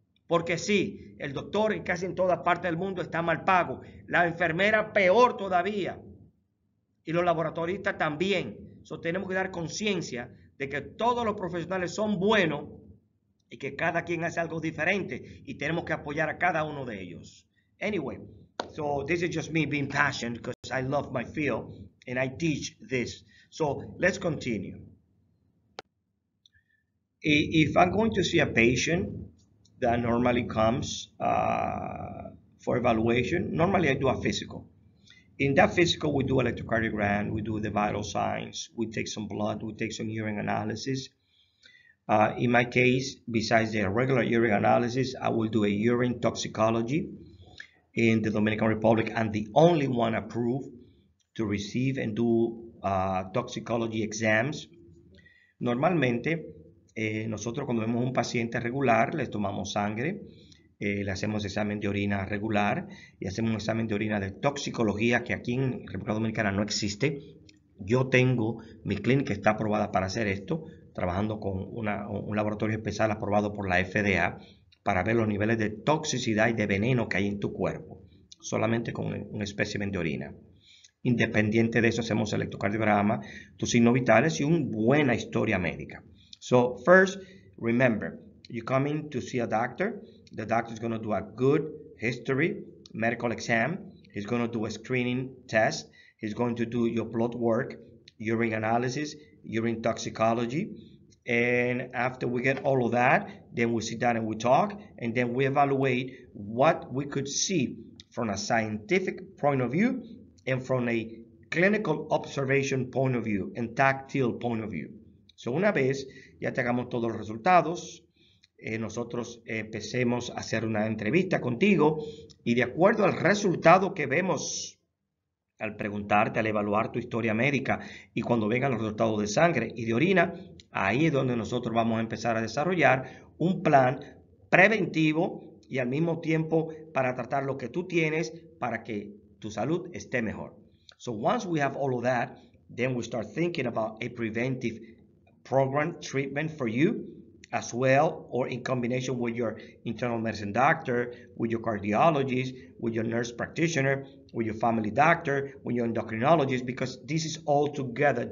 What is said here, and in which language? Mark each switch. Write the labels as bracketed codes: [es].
[es] Porque sí, el doctor casi en toda parte del mundo está mal pago, la enfermera peor todavía y los laboratoristas también. So, tenemos que dar conciencia de que todos los profesionales son buenos y que cada quien hace algo diferente y tenemos que apoyar a cada uno de ellos. [en] Anyway, so this is just me being passionate because I love my field and I teach this. So let's continue. If I'm going to see a patient that normally comes for evaluation, normally I do a physical. In that physical, we do electrocardiogram, we do the vital signs, we take some blood, we take some urine analysis. In my case, besides the regular urine analysis, I will do a urine toxicology in the Dominican Republic. I'm the only one approved to receive and do toxicology exams. [es] Normalmente, nosotros cuando vemos un paciente regular, le tomamos sangre. Le hacemos examen de orina regular y hacemos un examen de orina de toxicología que aquí en República Dominicana no existe. Yo tengo mi clínica, está aprobada para hacer esto, trabajando con un laboratorio especial aprobado por la FDA para ver los niveles de toxicidad y de veneno que hay en tu cuerpo, solamente con un espécimen de orina. Independiente de eso, hacemos electrocardiograma, tus signos vitales y una buena historia médica. [en] So, first, remember, you come in to see a doctor. The doctor is going to do a good history, medical exam. He's going to do a screening test. He's going to do your blood work, urine analysis, urine toxicology. And after we get all of that, then we sit down and we talk, and then we evaluate what we could see from a scientific point of view and from a clinical observation point of view and tactile point of view. [es] So una vez ya tengamos todos los resultados, nosotros empecemos a hacer una entrevista contigo, y de acuerdo al resultado que vemos al preguntarte, al evaluar tu historia médica y cuando vengan los resultados de sangre y de orina, ahí es donde nosotros vamos a empezar a desarrollar un plan preventivo y al mismo tiempo para tratar lo que tú tienes para que tu salud esté mejor. [en] So once we have all of that, then we start thinking about a preventive program treatment for you as well, or in combination with your internal medicine doctor, with your cardiologist, with your nurse practitioner, with your family doctor, with your endocrinologist, because this is all together.